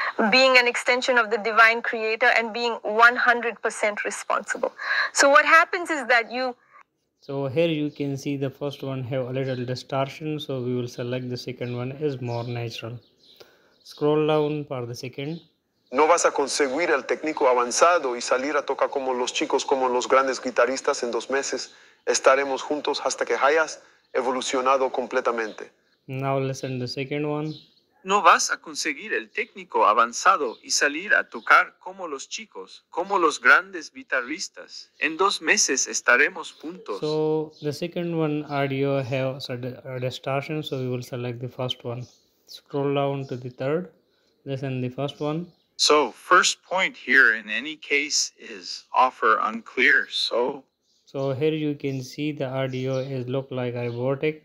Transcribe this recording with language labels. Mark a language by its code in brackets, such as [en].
[en] being an extension of the divine creator and being 100% responsible. So what happens is that you So here you can see the first one have a little distortion, so we will select the second one is more natural. Scroll down for the second. [es] No vas a conseguir el técnico avanzado y salir a tocar como los chicos, como los grandes guitarristas en 2 meses. Estaremos juntos hasta que hayas evolucionado completamente. [en] Now listen the second one. [es] No vas a conseguir el técnico avanzado y salir a tocar como los chicos, como los grandes guitarristas. En 2 meses estaremos juntos. [en] So the second one audio has a distortion, so we will select the first one. Scroll down to the third. Listen the first one. So first point here in any case is offer unclear. So. So here you can see the audio is look like a vortex.